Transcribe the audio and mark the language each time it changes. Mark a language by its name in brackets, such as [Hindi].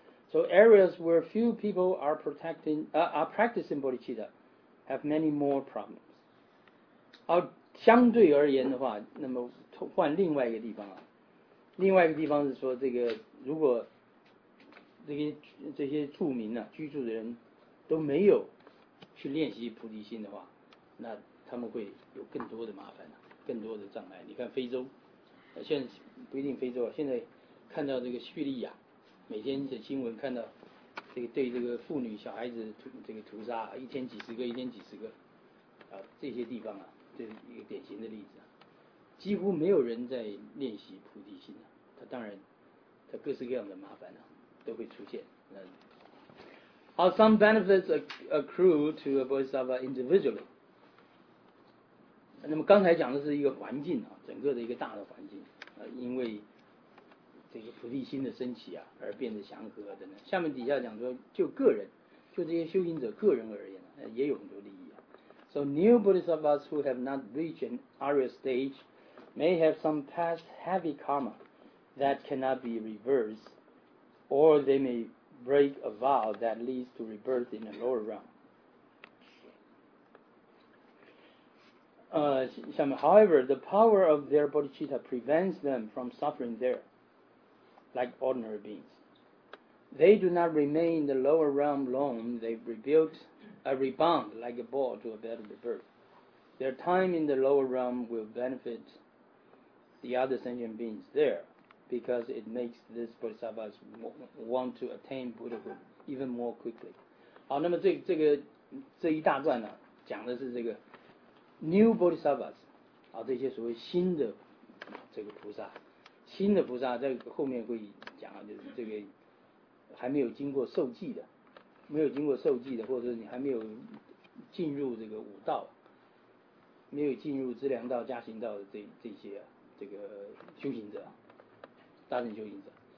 [English] So areas where few people are practicing bodhicitta have many more problems。 [Chinese] 而相对而言的话，那么换另外一个地方啊，另外一个地方是说这个如果。这些住民呢、啊，居住的人都没有去练习菩提心的话，那他们会有更多的麻烦、啊、更多的障碍。你看非洲，现在不一定非洲啊，现在看到这个叙利亚，每天的新闻看到这个对这个妇女、小孩子屠杀，一天几十个，一天几十个，啊，这些地方啊，这是一个典型的例子、啊，几乎没有人在练习菩提心、啊、他当然，他各式各样的麻烦呢、啊。都会出现。 [English] Some benefits accrue to a bodhisattva individually. [Chinese] 那么刚才讲的是一个环境啊，整个的一个大的环境，因为这个菩提心的升起啊，而变得祥和等等。下面底下讲说，就个人，就这些修行者个人而言，也有很多利益啊。 [English] So new bodhisattvas who have not reached an Arya stage may have some past heavy karma that cannot be reversed. Or they may break a vow that leads to rebirth in a lower realm. However, the power of their bodhicitta prevents them from suffering there, like ordinary beings. They do not remain in the lower realm long. They rebound like a ball to a better rebirth. Their time in the lower realm will benefit the other sentient beings there. Because it makes this bodhisattvas want to attain Buddhahood even more quickly. [Chinese] 好，那么这一大段呢、啊，讲的是这个 [English] new bodhisattvas， [Chinese] 啊，这些所谓新的这个菩萨，新的菩萨在后面会讲，就是这个还没有经过受记的，或者你还没有进入这个五道，没有进入资粮道、加行道的这些、啊、这个修行者。大乘修行者，